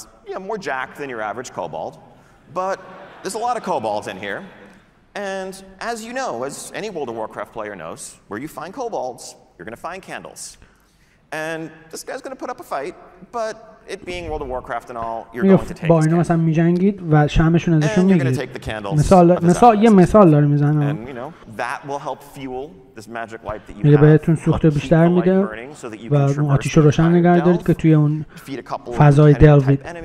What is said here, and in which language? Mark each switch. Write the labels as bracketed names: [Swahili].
[English] Yeah, more jacked than your average kobold. But there's a lot of kobolds in here, and as you know, as any World of Warcraft player knows, where you find kobolds, you're going to find candles. And this guy's going to put up a fight, but it being World of Warcraft and all, you're going to take. [Persian] باید نه مثلا می‌جنگید و شمعشون ازشون می‌گیرید. [English] You're going to take the candles. [Persian] مثال داره می‌زنه. [English] And you know that will help fuel this magic light that you have. [Persian] می‌گه بهتون سوخت بیشتر میده و آتیش روشن نگه دارید که توی اون فضای دلوید.